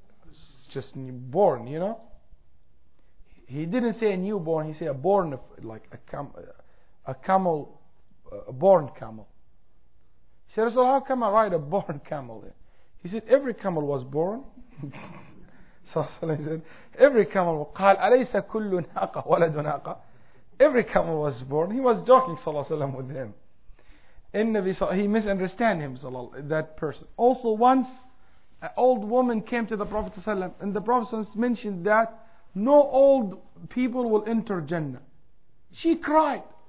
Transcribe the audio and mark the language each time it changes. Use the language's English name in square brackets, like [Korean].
[English] It's just born, you know. He didn't say a newborn. He said a born of, like a camel, a born camel. He said, so how come I ride a born camel? He said, every camel was born. So he said, every camel. [Arabic] قال أليس كل ناقة ولد ناقة. [English] Every camel was born. He was joking, [Arabic] صلى الله عليه وسلم, [English] with him. He misunderstand him, that person. Also, once an old woman came to the Prophet ﷺ, and the Prophet ﷺ mentioned that no old people will enter Jannah. She cried.